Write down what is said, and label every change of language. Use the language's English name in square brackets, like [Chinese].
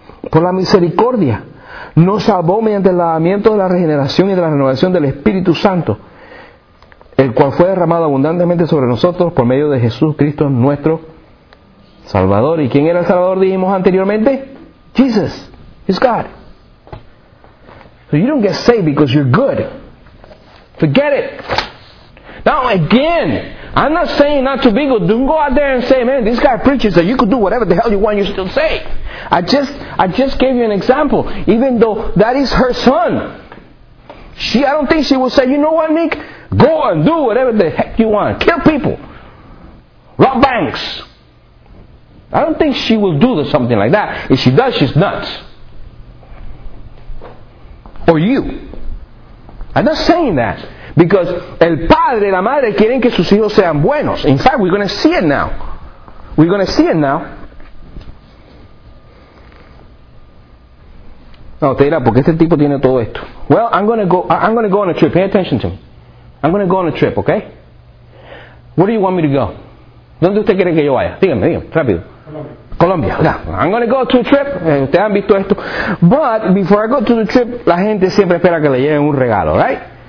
[Spanish] Por la misericordia. Nos salvó mediante el lavamiento de la regeneración y de la renovación del Espíritu Santo, el cual fue derramado abundantemente sobre nosotros por medio de Jesús Cristo, nuestro Salvador. ¿Y quién era el Salvador, dijimos anteriormente? [English] Jesus, it's God. So you don't get saved because you're good. Forget it. Now again, I'm not saying not to be good. Don't go out there and say, man, this guy preaches that you could do whatever the hell you want, you still say. I just gave you an example. Even though that is her son, I don't think she will say, you know what, Nick? Go and do whatever the heck you want. Kill people. Rob banks. I don't think she will do something like that. If she does, she's nuts. Or you. I'm not saying that. Because [Spanish] el padre y la madre quieren que sus hijos sean buenos. [English] In fact, we're going to see it now. We're going to see it now. [Spanish] No, te dirá, ¿por qué este tipo tiene todo esto? [English] Well, I'm going to go on a trip. Pay attention to me. I'm going to go on a trip, okay? Where do you want me to go? [Spanish] ¿Dónde usted quiere que yo vaya? Dígame, rápido. [English] Colombia. Colombia, yeah. I'm going to go to a trip. [Spanish] Ustedes han visto esto. [English] But before I go to the trip, [Spanish] la gente siempre espera que le lleven un regalo, [English] right?